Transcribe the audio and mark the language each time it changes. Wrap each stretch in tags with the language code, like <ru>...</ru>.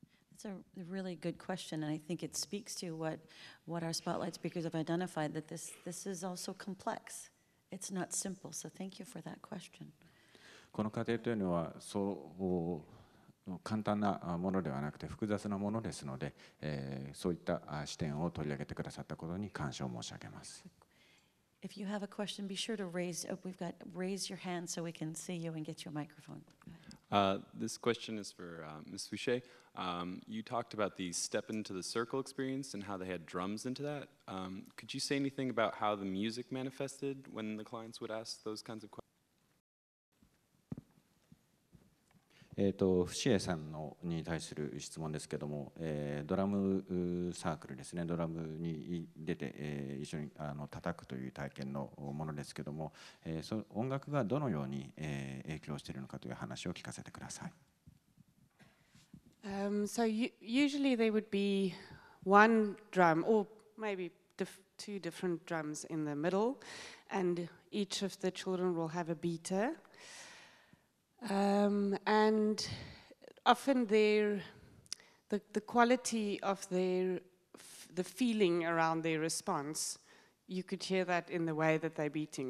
<en>That's a really good question, and I think it speaks to what our spotlight speakers have identified, that this is also complex. It's not simple, so thank you for that question.</en> <ja>この過程というのはそう簡単なものではなくて複雑なものですので、そういった視点を取り上げてくださったことに感謝を申し上げます。</ja> <en>If you have a question, be sure to raise your hand so we can see you and get your microphone. This question is for Ms. Fouché. You talked about the step into the circle experience and how they had drums into that. Could you say anything about how the music manifested when the clients would ask those kinds of questions?</en> <ja>フシエさんのに対する質問ですけども、ドラムサークルですね、ドラムに出て、一緒に叩くという体験のものですけども、音楽がどのように、影響しているのかという話を聞かせてください。</ja> <en>So usually there would be one drum or maybe two different drums in the middle, and each of the children will have a beater. And often the quality of the feeling around their response, you could hear that in the way that they're beating.</en>